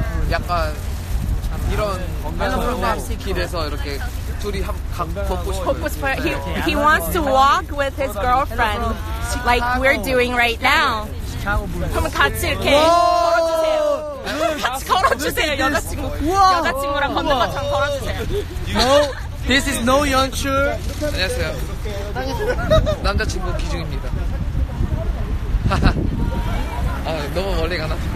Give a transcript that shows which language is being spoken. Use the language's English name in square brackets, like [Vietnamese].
[Korean] 약간 이런 길에서 이렇게. 둘이 걷고 싶어요. [English] He wants to walk with his girlfriend like we're doing right now. [Korean] 그럼 같이 이렇게 걸어주세요. 여자친구랑 걷는 것처럼 걸어주세요. [English] No, this is no 연출. [Korean] 안녕하세요. 남자친구 기중입니다. 아, 너무 멀리 가나?